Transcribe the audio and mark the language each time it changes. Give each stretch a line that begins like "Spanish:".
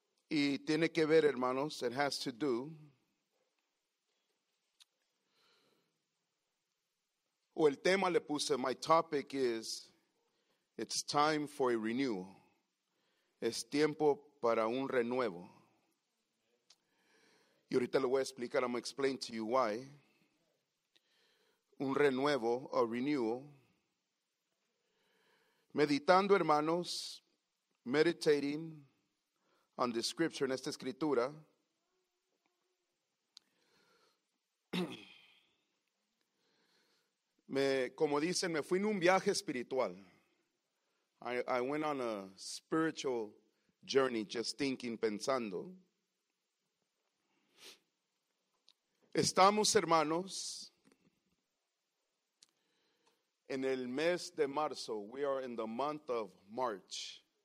Spanish: Y tiene que ver, hermanos,
English: it has to do
Spanish: o el tema le puse,
English: my topic is, it's time for a renewal.
Spanish: Es tiempo para un renuevo. Y ahorita le voy a explicar,
English: I'm going to explain to you why.
Spanish: Un renuevo,
English: a renewal.
Spanish: Meditando, hermanos,
English: meditating on the scripture,
Spanish: en esta escritura. Como dicen, me fui en un viaje espiritual.
English: I went on a spiritual journey, just thinking, pensando.
Spanish: Estamos, hermanos, en el mes de marzo.
English: We are in the month of March.